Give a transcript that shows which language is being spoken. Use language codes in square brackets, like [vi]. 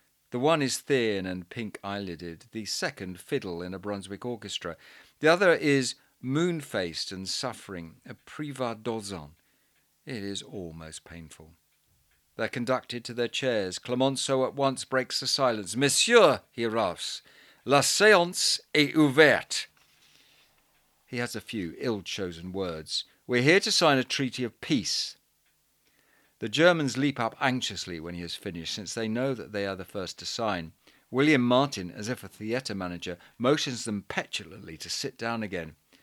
[en] The one is thin and pink eyelided, the second fiddle in a Brunswick orchestra. The other is moon-faced and suffering, a privat dozen. It is almost painful. They're conducted to their chairs. Clemenceau at once breaks the silence. [fr] Monsieur, [en] he rasps, [fr] la séance est ouverte. [en] He has a few ill-chosen words. We're here to sign a treaty of peace. The Germans leap up anxiously when he has finished, since they know that they are the first to sign. William Martin, as if a theatre manager, motions them petulantly to sit down again.